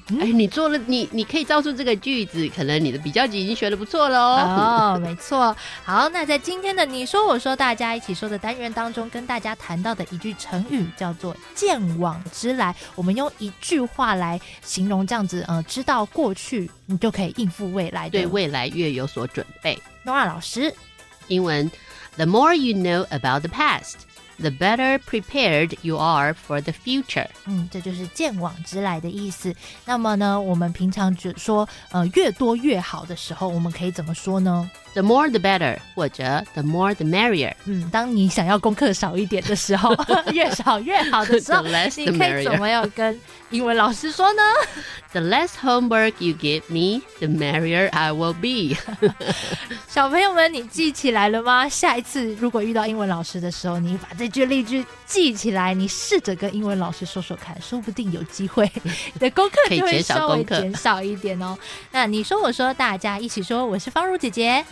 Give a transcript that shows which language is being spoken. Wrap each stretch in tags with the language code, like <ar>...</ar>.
<zh>你做了，你可以造出这个句子，可能你的比较级已经学得不错了。没错。好，那在今天的你说我说大家一起说的单元当中，跟大家谈到的一句成语叫做鑑往知来，我们用一句话来形容这样子，知道过去你就可以应付未来，对未来越有所准备。 Nora 老师，</zh> <en>英文 The more you know about the past, the better prepared you are for the future。</en> <zh>这就是鑑往知来的意思。那么呢，我们平常只说越多越好的时候，我们可以怎么说呢？</zh> <en>The more the better，</en> <zh>或者</zh> <en>the more the merrier。</en> <zh>当你想要功课少一点的时候越少越好的时候</zh> <en>the less the merrier。</en> <zh>你可以怎么样跟英文老师说呢？</zh> <en>The less homework you give me, the merrier I will be。</en> <zh>小朋友们，你记起来了吗？下一次如果遇到英文老师的时候，你把这句例句记起来，你试着跟英文老师说说看，说不定有机会你的功课就会稍微减少一点哦。那你说我说大家一起说，我是方如姐姐。</zh>